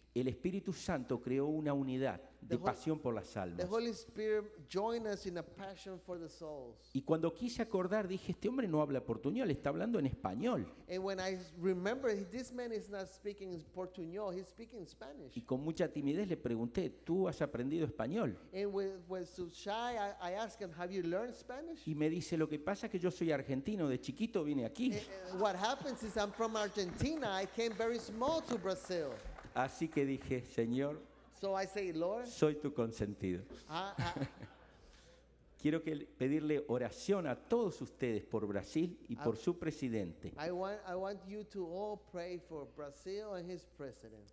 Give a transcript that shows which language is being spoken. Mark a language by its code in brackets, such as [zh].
[es] el Espíritu Santo creó una unidad de pasión por las almas. [en] The Holy Spirit joined us in a passion for the souls. [es] Y cuando quise acordar, dije, este hombre no habla portuñol, está hablando en español. [en] And when I remember, this man is not speaking portuñol, he's speaking Spanish. [es] Y con mucha timidez le pregunté, ¿tú has aprendido español? [en] And with so shy, I asked him, have you learned Spanish? [es] Y me dice, lo que pasa es que yo soy argentino, de chiquito vine aquí. [en] What happens is I'm from Argentina, I came very small to Brazil. [es] Así que dije, Señor, [en] so I say, Lord, [es] soy tu consentido. Quiero que pedirle oración a todos ustedes por Brasil y por su presidente. [en] I want you to all pray for Brazil and his president.